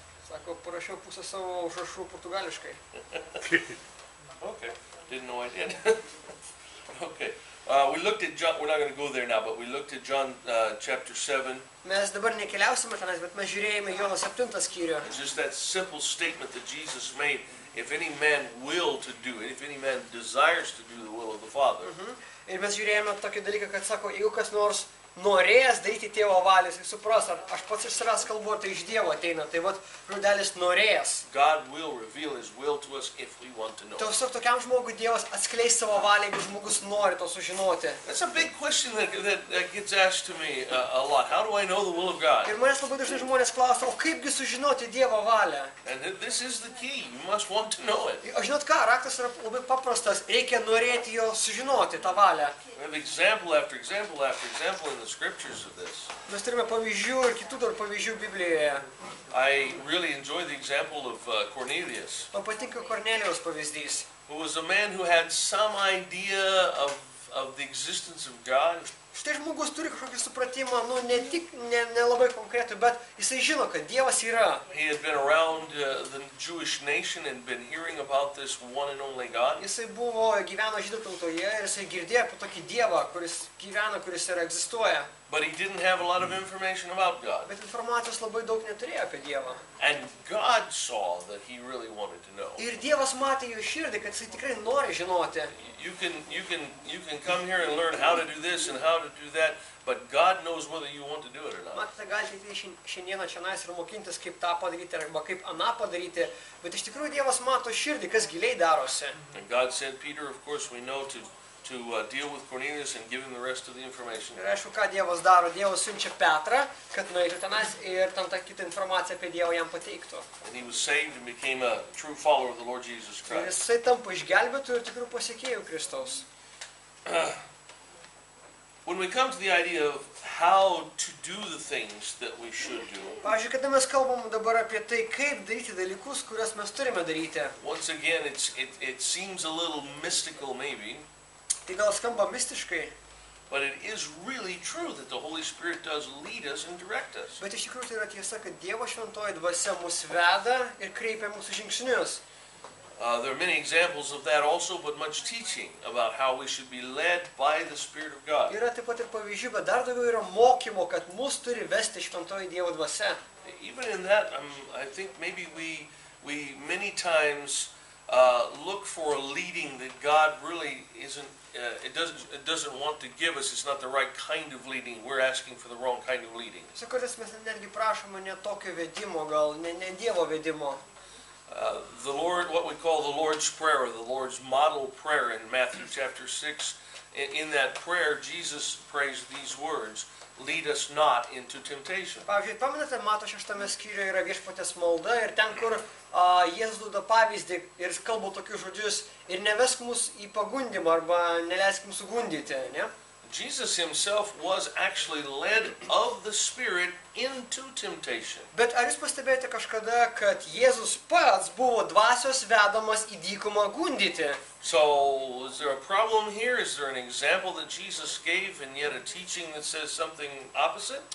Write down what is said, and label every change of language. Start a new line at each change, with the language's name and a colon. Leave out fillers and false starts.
Lithuanian: Sako, parašiau pusę savo užrašų portugališkai.
English: Okay, didn't know I did. Okay. We looked at John, we're not going to go there now, but we looked at John chapter 7.
Lithuanian: Mes dabar nekeliausime tenais, bet mes žiūrėjome Jono 7 skyrių.
English: It's just that simple statement that Jesus made, if any man will to do it, if any man desires to do the will of the Father.
Lithuanian: Ir mes žiūrėjome tokį dalyką, kad sako, jeigu kas nors norės daryti tėvo valios, jis supras, ar aš pats iš savęs kalbu, tai iš Dievo ateina, tai vat žodelis norės.
English: God will reveal his will to us if we want to know.
Lithuanian: Tiesiog tokiam žmogui Dievas atskleis savo valią, jeigu žmogus nori to sužinoti.
English: That's a big question that gets asked to me a lot. How do I know the will of God?
Lithuanian: Ir manęs labai dažnai žmonės klausia, o kaipgi sužinoti Dievo valią?
English: And this is the key, you must want to know it.
Lithuanian: O žinot ką, raktas yra labai paprastas, reikia norėti jo sužinoti, tą valią.
English: We have example after example after example in the scriptures of this.
Lithuanian: Mes turime pavyzdžių ir kitų dar pavyzdžių Biblijoje.
English: I really enjoy the example of Cornelius.
Lithuanian: Man patinka Kornelijaus pavyzdys.
English: Who was a man who had some idea of the existence of God.
Lithuanian: Štai žmogus turi kažkokį supratimą, nu, ne tik, ne labai konkretų, bet jisai žino, kad Dievas yra.
English: He had been around the Jewish nation and been hearing about this one and only God.
Lithuanian: Jisai buvo, gyveno žydų tautoje ir jisai girdėjo apie tokį Dievą, kuris gyvena, kuris yra egzistuoja.
English: But he didn't have a lot of information about God.
Lithuanian: Bet informacijos labai daug neturėjo apie Dievą.
English: And God saw that he really wanted to know.
Lithuanian: Ir Dievas matė jo širdį, kad jis tikrai nori žinoti.
English: You can come here and learn how to do this and how to do that, but God knows whether you want to do it or not.
Lithuanian: Matote, galite šiandieną čionais ir mokintis, kaip tą padaryti arba kaip aną padaryti, bet iš tikrųjų Dievas mato širdį, kas giliai darosi.
English: And God sent Peter, of course, we know to deal with Cornelius and give him the rest of the information.
Lithuanian: Ir aišku, ką Dievas daro, Dievas siunčia Petrą, kad nueitų tenais ir tam tą kitą informaciją apie Dievą jam pateiktų.
English: And he was saved and became a true follower of the Lord Jesus Christ.
Lithuanian: Ir jisai tampa išgelbėtų ir tikrų pasiekėjų Kristaus.
English: When we come to the idea of how to do the things that we should do.
Lithuanian: Pavyzdžiui, kada mes kalbam dabar apie tai, kaip daryti dalykus, kuriuos mes turime daryti.
English: Once again, it seems a little mystical maybe.
Lithuanian: Tai gal skamba mistiškai.
English: But it is really true that the Holy Spirit does lead us and direct us.
Lithuanian: Bet iš tikrųjų tai yra tiesa, kad Dievo šventoji dvasia mus veda ir kreipia mūsų žingsnius.
English: There are many examples of that also, but much teaching about how we should be led by the Spirit of God.
Lithuanian: Yra taip pat ir pavyzdžių, bet dar daugiau yra mokymo, kad mus turi vesti šventoji Dievo dvasia.
English: Even in that, I think maybe we many times look for a leading that God really isn't it doesn't want to give us. It's not the right kind of leading. We're asking for the wrong kind of leading.
Lithuanian: Sakotis mes netgi prašome ne tokio vedimo, gal ne Dievo vedimo.
English: The Lord, what we call the Lord's Prayer, the Lord's model prayer in Matthew chapter 6, in that prayer Jesus prays these words, lead us not into temptation.
Lithuanian: Pavyzdžiui, pamenate, Mato 6 skyriuje yra Viešpaties malda ir ten kur Jėzus duoda pavyzdį ir kalba tokius žodžius ir nevesk mus į pagundimą arba neleisk mus sugundyti, ne?
English: Jesus himself was actually led of the Spirit into temptation.
Lithuanian: Bet ar jūs pastebėjote kažkada, kad Jėzus pats buvo dvasios vedamas į dykumą gundyti?
English: So, is there a problem here? Is there an example that Jesus gave and yet a teaching that says something opposite?